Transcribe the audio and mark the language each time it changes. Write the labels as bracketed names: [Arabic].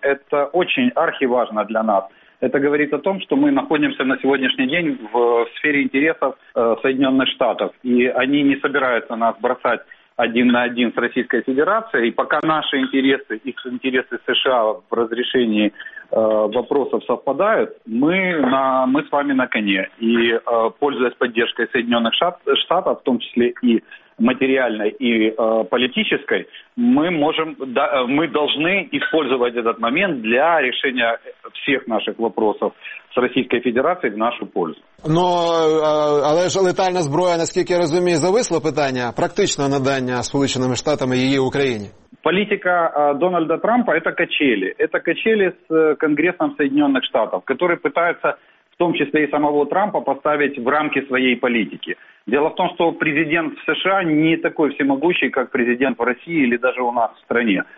[Ukrainian] Це дуже архіважно для нас. [Russian] Это говорит о том, что мы находимся на сегодняшний день в сфере интересов Соединенных Штатов. И они не собираются нас бросать один на один с Российской Федерацией. И пока наши интересы и интересы США в разрешении вопросов совпадают, мы с вами на коне. И пользуясь поддержкой Соединенных Штатов, в том числе и материальной и политической, мы должны использовать этот момент для решения всех наших вопросов с Российской Федерацией в нашу пользу. [Ukrainian] Але ж летальна зброя, наскільки я розумію, зависло питання практичного надання Сполученими Штатами її Україні. [Russian] Политика Дональда Трампа – это качели. Это качели с Конгрессом Соединенных Штатов, которые пытаются в том числе и самого Трампа поставить в рамки своей политики. Дело в том, что президент в США не такой всемогущий, как президент в России или даже у нас в стране.